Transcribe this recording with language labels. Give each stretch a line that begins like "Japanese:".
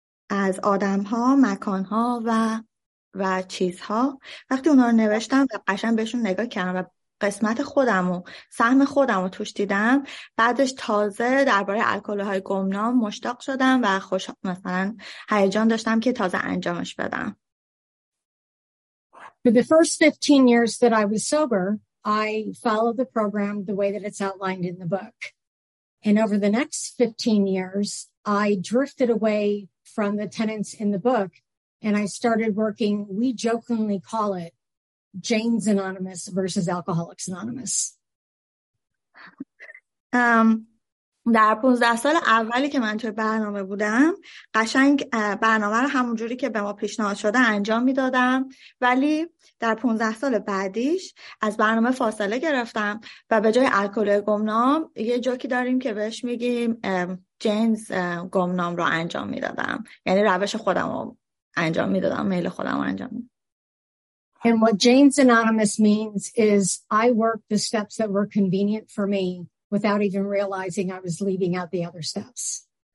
Persian: از آدم ها، مکان ها و چیزها، وقتی اونا رو نوشتم و قشنگ بهشون نگاه کردم و قسمت خودم و سهم خودم رو توش دیدم، بعدش تازه درباره الکل‌های گمنام مشتاق شدم و خوش مثلا هیجان داشتم که تازه انجامش بدم.
English: For the first 15 years that I was sober, I follow the program the way that it's outlined in the book. And over the next 15 years, I drifted away from the tenets in the book, and I started working, we jokingly call it Jane's Anonymous versus Alcoholics Anonymous.
Persian: در 15 سال اولی که من توی برنامه بودم قشنگ برنامه رو همون جوری که به ما پیشنهاد شده انجام میدادم، ولی در 15 سال بعدیش از برنامه فاصله گرفتم و به جای الکل گمنام یه جوکی داریم که بهش میگیم جینز گمنام رو انجام میدادم، یعنی روش خودم رو انجام میدادم، میل خودم رو انجام میدادم.
English: And what Jane's Anonymous means is I work the steps that were convenient for me without even realizing I was leaving out the other steps.